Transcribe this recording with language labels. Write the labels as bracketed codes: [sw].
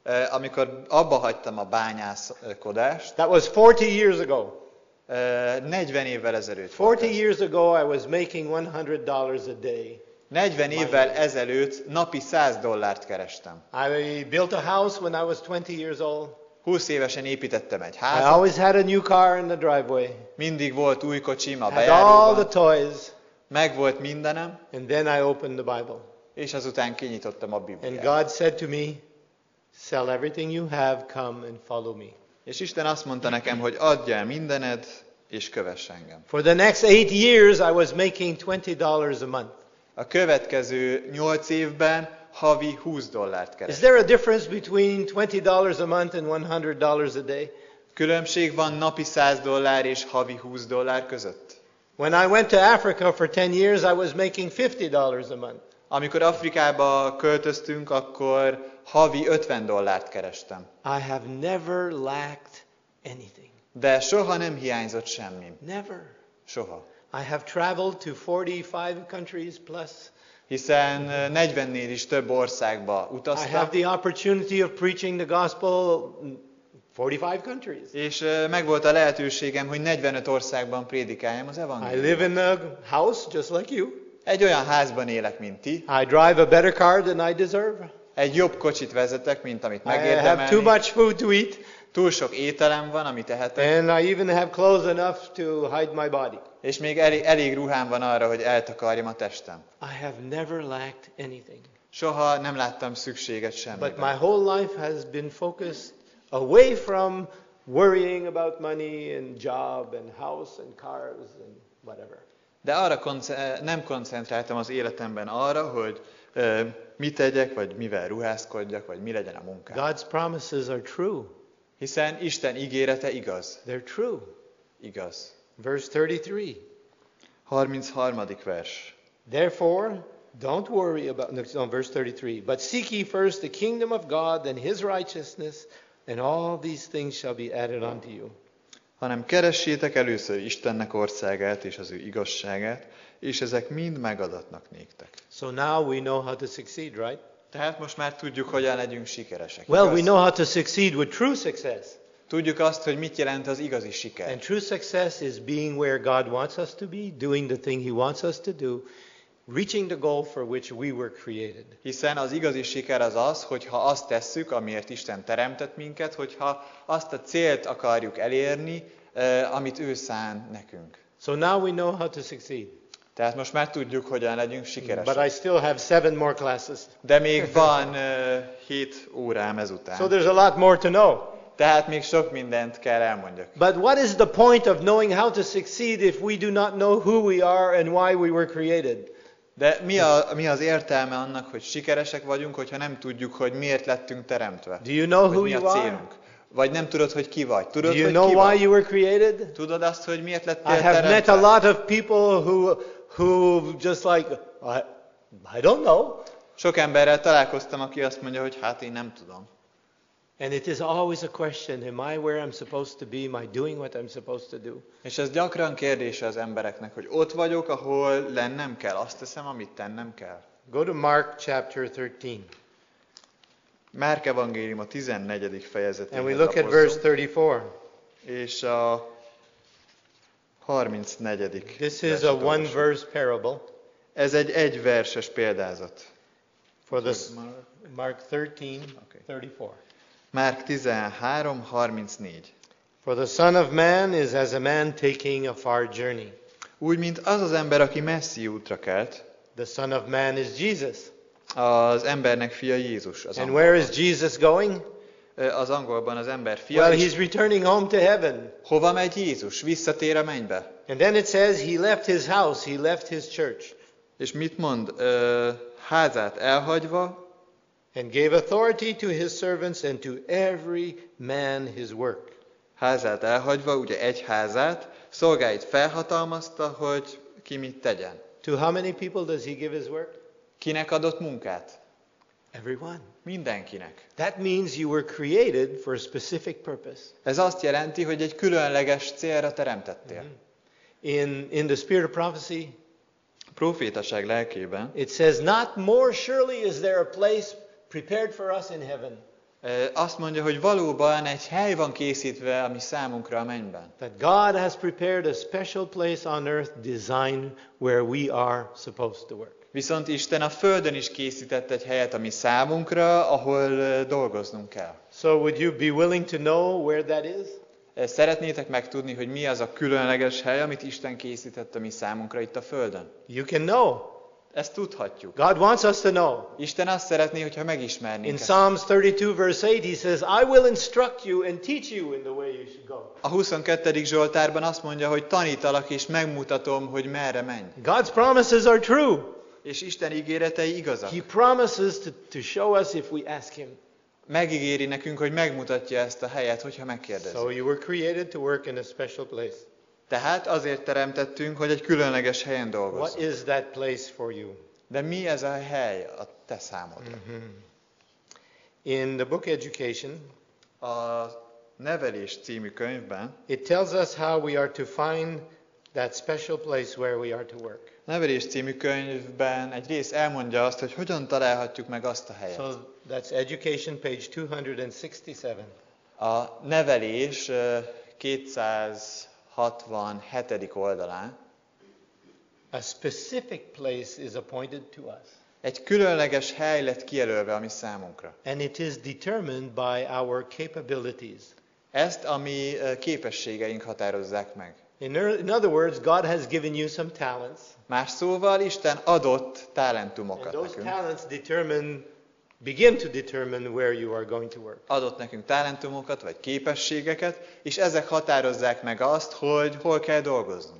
[hu] amikor abba hagytam a bányászkodást. [en] That was 40 years ago. [hu] 40 évvel ezelőtt. [en] 40 years ago I was making $100 a day. [hu] 40 évvel ezelőtt napi $100 kerestem. [en] I built a house when I was 20 years old. [hu] 20 évesen építettem egy házat. [en] I always had a new car in the driveway. [hu] Mindig volt új kocsim a bejáróban. [en] Had all the toys. [hu] Megvolt mindenem. [en] And then I opened the Bible. [hu] És azután kinyitottam a Bibliát. [en] And God said to me, sell everything you have, come and follow me. [hu] És Isten azt mondta nekem, hogy adj el mindened és kövess engem. [en] For the next 8 years I was making $20 a month. [hu] A következő 8 évben havi $20 keresek. [en] Is there a difference between $20 a month and $100 a day? [hu] Különbség van napi $100 és havi $20 között? [en] When I went to Africa for 10 years, I was making $50 a month. [hu] Amikor Afrikába költöztünk, akkor havi $50 kerestem. [en] I have never lacked anything. [hu] De soha nem hiányzott semmi. [en] Never. [hu] Soha. [en] I have traveled to 45 countries plus. [hu] Hiszen 40-nél is több országba utaztam. [en] I have the opportunity of preaching the gospel 45 countries. [hu] És megvolt a lehetőségem, hogy 45 országban prédikáljam az evangéliumot. [en] I live in a house just like you. [hu] Egy olyan házban élek, mint ti. [en] I drive a better car than I deserve. [hu] Egy jobb kocsit vezetek, mint amit megérdemelni. [en] I have too much food to eat. [hu] Túl sok ételem van, amit ehetek. [en] And I even have clothes enough to hide my body. [hu] És még elég ruhám van arra, hogy eltakarjam a testem. [en] I have never lacked anything. [hu] Soha nem láttam szükséget semmiben. [en] But my whole life has been focused away from worrying about money and job and house and cars and whatever. [hu] De arra nem koncentráltam az életemben arra, hogy mit tegyek, vagy mivel ruházkodjak, vagy mi legyen a munkám. [en] God's promises are true. [hu] Hiszen Isten ígérete igaz. [en] They're true. [hu] Igaz. [en] Verse 33. [hu] 33. vers. [en] Therefore, don't worry about verse 33. But seek ye first the kingdom of God and his righteousness, and all these things shall be added unto you. [hu] Hanem keressétek először Istennek országát és az ő igazságát, és ezek mind megadatnak néktek. [en] So now we know how to succeed, right? [hu] Tehát most már tudjuk, hogyan legyünk sikeresek. [en] Well, [hu] igaz? [en] We know how to succeed with true success. [hu] Tudjuk azt, hogy mit jelent az igazi siker. [en] And true success is being where God wants us to be, doing the thing he wants us to do, reaching the goal for which we were created. [hu] Hiszen az igazi siker az az, hogyha azt tesszük, amiért Isten teremtett minket, hogyha azt a célt akarjuk elérni, amit ő szán nekünk. [en] So now we know how to succeed. [hu] Tehát most már tudjuk, hogyan legyünk sikeresek. [en] But I still have 7 more classes. [hu] De még van 7 órám ezután. [en] So there's a lot more to know. [hu] Tehát még sok mindent kell elmondjak. [en] But what is the point of knowing how to succeed if we do not know who we are and why we were created? [hu] De mi az értelme annak, hogy sikeresek vagyunk, hogyha nem tudjuk, hogy miért lettünk teremtve? [en] Do you know who you are? [hu] Vagy nem tudod, hogy ki vagy? Tudod, [en] do you [hu] hogy [en] know [hu] ki [en] why [hu] vagy? [en] You were created? [hu] Tudod azt, hogy miért lettél teremtve? [en] I have [hu] teremtve? [en] Met a lot of people who just like I don't know. [hu] Sok emberrel találkoztam, aki azt mondja, hogy hát én nem tudom. [en] And it is always a question, am I where I'm supposed to be? Am I doing what I'm supposed to do? [hu] És ez gyakran kérdése az embereknek, hogy ott vagyok, ahol lennem kell, azt teszem, amit tennem kell. [en] Go to Mark chapter 13. [hu] Márk evangélium a 14. fejezetében. [en] And we look at verse 34. [hu] És a 34. [en] This is a one verse parable. [hu] Ez egy verses példázat. [en] For the Mark 13:34. [hu] Mark 13:34. [en] For the Son of Man is as a man taking a far journey. [hu] Úgy mint az az ember, aki messzi útra kelt. [en] The Son of Man is Jesus. [hu] Az embernek fia Jézus. Az [en] And [hu] angolban. [en] Where is Jesus going? [hu] Az angolban az ember fia. [en] Well, he's returning home to heaven. [hu] Hova megy Jézus? Visszatér a mennybe. [en] And then it says he left his house, he left his church. [hu] És mit mond? Házát elhagyva. [en] And gave authority to his servants and to every man his work. [hu] Házát elhagyva, ugye egy házát, szolgáit felhatalmazta, hogy ki mit tegyen. [en] To how many people does he give his work? [hu] Kinek adott munkát? [en] Everyone. [hu] Mindenkinek. [en] That means you were created for a specific purpose. [hu] Ez azt jelenti, hogy egy különleges célra teremtettél. [en] In the spirit of prophecy, [hu] prófétaság lelkében, [en] it says, not more surely is there a place prepared for us in heaven. [hu] Azt mondja, hogy valóban egy hely van készítve ami számunkra a mennyben. [en] That God has prepared a special place on earth designed where we are supposed to work. [hu] Viszont Isten a földön is készített egy helyet ami számunkra, ahol dolgoznunk kell. [en] So would you be willing to know where that is? [hu] Szeretnétek megtudni, hogy mi az a különleges hely, amit Isten készített ami számunkra itt a földön? [en] You can know. [hu] Ezt tudhatjuk. [en] God wants us to know. [hu] Isten azt szeretné, hogyha megismernénk. [en] In Psalms 32 verse 8 he says, I will instruct you and teach you in the way you should go. [hu] A 22. Zsoltárban azt mondja, hogy tanítalak és megmutatom, hogy merre menj. [en] God's promises are true. [hu] És Isten ígéretei igazak. [en] He promises to show us if we ask him. [hu] Megígéri nekünk, hogy megmutatja ezt a helyet, hogyha megkérdezik. [en] So you were created to work in a special place. [hu] Tehát azért teremtettünk, hogy egy különleges helyen dolgozzunk. [en] What is that place for you? [hu] De mi ez a hely a te számodra? [en] In the book Education, [hu] a Nevelés című könyvben, [en] it tells us how we are to find that special place where we are to work. [hu] Nevelés című könyvben egy rész elmondja azt, hogy hogyan találhatjuk meg azt a helyet. [en] So that's Education page 267. [hu] A Nevelés 267. oldalán. [en] A specific place is appointed to us. [hu] Egy különleges hely lett kijelölve a mi számunkra. [en] And it is determined by our capabilities. [hu] Ezt a mi képességeink határozzák meg. [en] In other words, God has given you some talents. [hu] Más szóval, Isten adott talentumokat nekünk. [en] And those talents begin to determine where you are going to work. [hu] Adott nekünk talentumokat vagy képességeket, és ezek határozzák meg azt, hogy hol kell dolgozni.